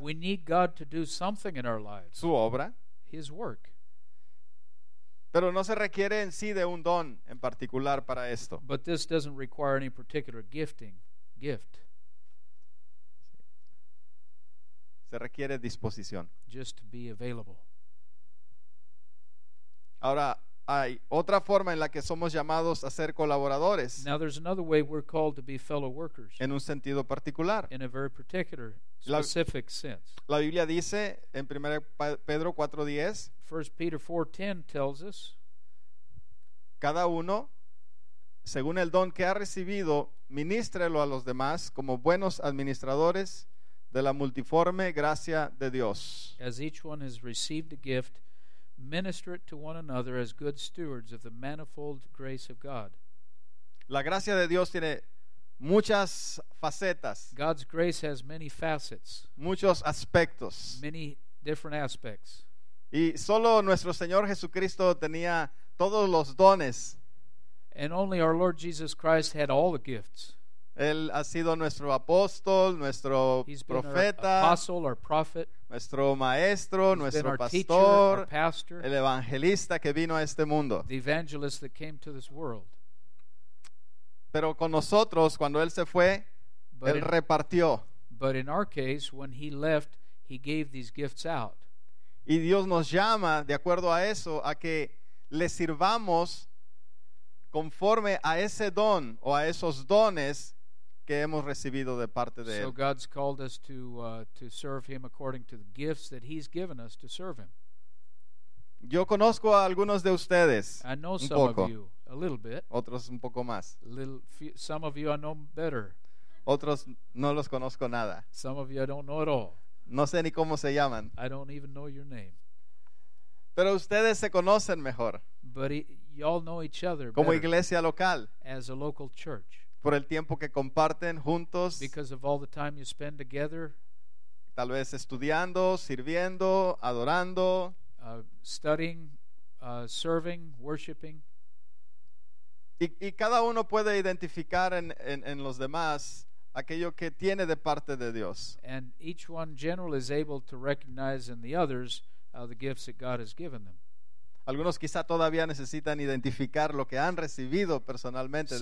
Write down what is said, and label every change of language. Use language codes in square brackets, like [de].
[en] We need God to do something in our lives. [es] Su obra. [en] His work. [es] Pero no se requiere en sí de un don en particular para esto. [en] But this doesn't require any particular gifting, gift. [es] Se requiere disposición. [en] Just to be available. [es] Ahora, hay otra forma en la que somos llamados a ser colaboradores. [en] Now there's another way we're called to be fellow workers. [es] En un sentido particular. [en] In a very particular, specific sense. [es] La Biblia dice en 1 Pedro 4:10. [en] 1 Peter 4:10 tells us. [es] Cada uno, según el don que ha recibido, ministrelo a los demás como buenos administradores de la multiforme gracia de Dios. [en] As each one has received a gift, minister it to one another as good stewards of the manifold grace of God. [es] La gracia de Dios tiene muchas facetas. [en] God's grace has many facets. [es] Muchos aspectos. [en] Many different aspects. [es] Y solo nuestro Señor Jesucristo tenía todos los dones. [en] And only our Lord Jesus Christ had all the gifts. [es] Él ha sido nuestro apóstol, nuestro [en] He's [es] profeta, [en] been our apostle, our prophet. [es] Nuestro maestro, [en] He's [es] nuestro [en] been our [es] pastor, [en] teacher, our pastor, [es] el evangelista que vino a este mundo. [en] The evangelist that came to this world. [es] Pero con nosotros, cuando Él se fue, [en] but [es] Él repartió. [en] But in our case, when He left, He gave these gifts out. [es] Y Dios nos llama, de acuerdo a eso, a que le sirvamos conforme a ese don o a esos dones que hemos recibido de parte de [en] so [es] Él. [en] So God's called us to serve Him according to the gifts that He's given us to serve Him. [es] Yo conozco a algunos de ustedes. [en] I know [es] un [en] some [es] poco. [en] Of you a little bit. [es] Otros un poco más. [en] Some of you I know better. [es] Otros no los conozco nada. [en] Some of you I don't know at all. [es] No sé ni cómo se llaman. [en] I don't even know your name. [es] Pero ustedes se conocen mejor. [en] But y'all know each other [es] como iglesia local. [en] As a local church. [es] Por el tiempo que comparten juntos. [en] Because of all the time you spend together. [es] Tal vez estudiando, sirviendo, adorando. [en] Studying, serving, worshiping. [es] Y cada uno puede identificar en los demás aquello que tiene de parte de Dios. [en] And each one generally is able to recognize in the others the gifts that God has given them. [es] Algunos quizá todavía necesitan identificar lo que han recibido personalmente